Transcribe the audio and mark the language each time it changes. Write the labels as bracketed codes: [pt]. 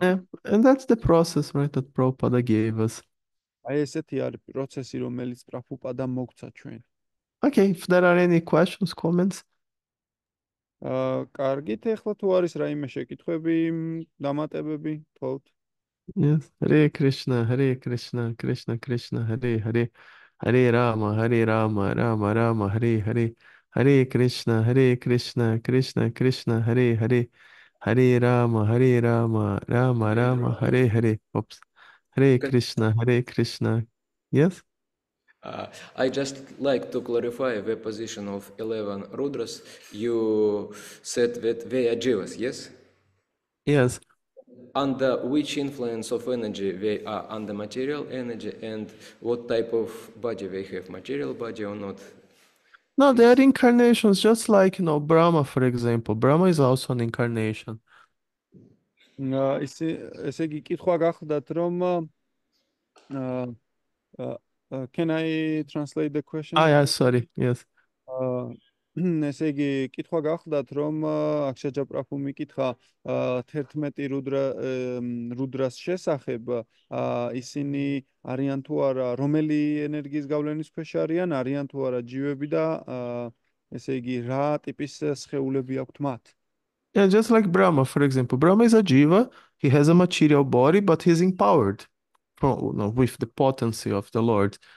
[en] Yeah, and that's the process, right, that Prabhupada gave us. [ka] აი ესეთი არის პროცესი, რომელიც პრაფუპადა მოგცა ჩვენ. [en] Okay, if there are any questions, comments. [ka] Კარგით, ეხლა თუ არის რაიმე შეკითხვები, დამატებები, თქვით. [sa] Yes, Hare Krishna, Hare Krishna, Krishna Krishna, Hare Hare, Hare Rama, Hare Rama, Rama Rama, Hare Hare, Hare Krishna, Krishna Krishna, Hare Hare, Hare Rama, Hare Rama, Rama Hare Rama, Rama. Hare Hare. Oops. Hare Krishna, Hare Krishna. Yes? [en] I just like to clarify the position of 11 Rudras. You said that they are jivas, yes? Yes. Under which influence of energy they are? Under material energy, and what type of body they have? Material body or not? No, they are Please. incarnations, just like, Brahma, for example. Brahma is also an incarnation. [ka] Ესე იგი, კითხვა გახლდათ, რომ [en] can I translate the question? Yeah, sorry. Yes. [ka] ესე იგი, კითხვა გახლდათ, რომ აქშაჯა პრაფუმი კითხა 11 რუდრას შესახებ, ისინი არიან თუ არა, რომელი ენერგიის გავლენის ქვეშ არიან, არიან თუ არა ჯივები და ესე იგი, რა ტიპის სხეულები აქვთ მათ? [en] Yeah, just like Brahma, for example. Brahma is a jiva. He has a material body, but he's empowered with the potency of the Lord.